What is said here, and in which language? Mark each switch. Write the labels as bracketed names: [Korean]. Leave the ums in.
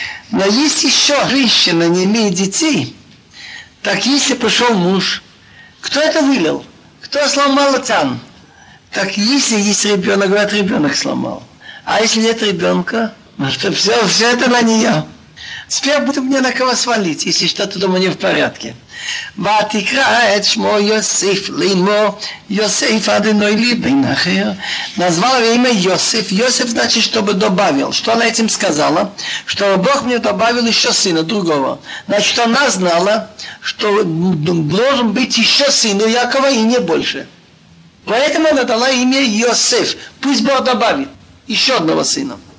[Russian] Но есть еще женщина, не имеет детей. Так если пришел муж, кто это вылил? Кто сломал тян? Так если есть ребенок, говорят, ребенок сломал. А если нет ребенка, то все, все это на нее. Теперь будет мне на кого свалить, если что-то дома не в порядке. [Hebrew] ותקרא את שמו יוסף לאמו, יוסף אדינוי לי בן אחר. נזבל [Russian] имя Йосиф. Йосиф значит, чтобы добавил. Что она этим сказала? Что Бог мне добавил еще сына другого. Значит, она знала, что должен быть еще сын у Якова и не больше. Поэтому она дала имя Йосиф. Пусть Бог добавит еще одного сына.